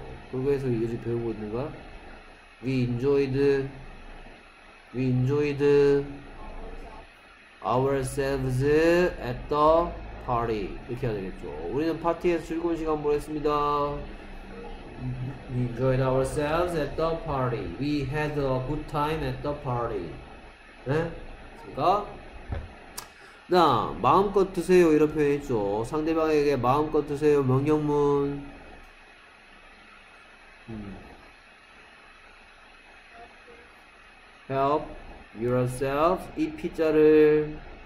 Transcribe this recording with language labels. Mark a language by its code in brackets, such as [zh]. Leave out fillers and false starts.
[ko] 거기에서 이제 배우고 있는가? [en] We enjoyed ourselves at the party. [ko] 이렇게 해야 되겠죠. 우리는 파티에서 즐거운 시간 보냈습니다. [en] We enjoyed ourselves at the party. We had a good time at the party. [ko] 네? 그러니까 자, 마음껏 드세요. 이런 표현 있죠. 상대방에게 마음껏 드세요. 명령문. [en] help yourself. [ko] 이 피자를